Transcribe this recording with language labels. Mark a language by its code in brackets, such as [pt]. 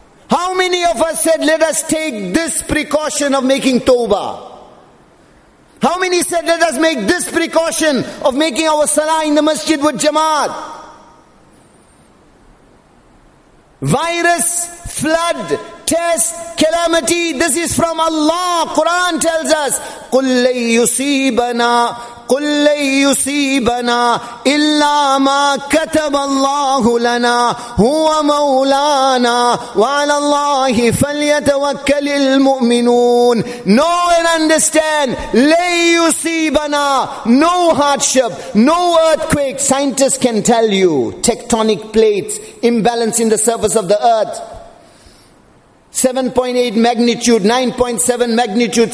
[en] How many of us said, let us take this precaution of making tawbah? How many said, let us make this precaution of making our salah in the masjid with jamaat? Virus, flood, test, calamity, this is from Allah. Quran tells us, [ar] قُلْ لَنْ يُصِيبَنَا قُلْ لَنْ يُصِيبَنَا إِلَّا مَا كَتَبَ اللَّهُ لَنَا هُوَ مَوْلَانَا وَعَلَى اللَّهِ فَلْيَتَوَكَّلِ الْمُؤْمِنُونَ. [en] Know and understand, [ar] لَنْ يُصِيبَنَا. [en] No hardship, no earthquake. Scientists can tell you, tectonic plates, imbalance in the surface of the earth, 7.8 magnitude, 9.7 magnitude.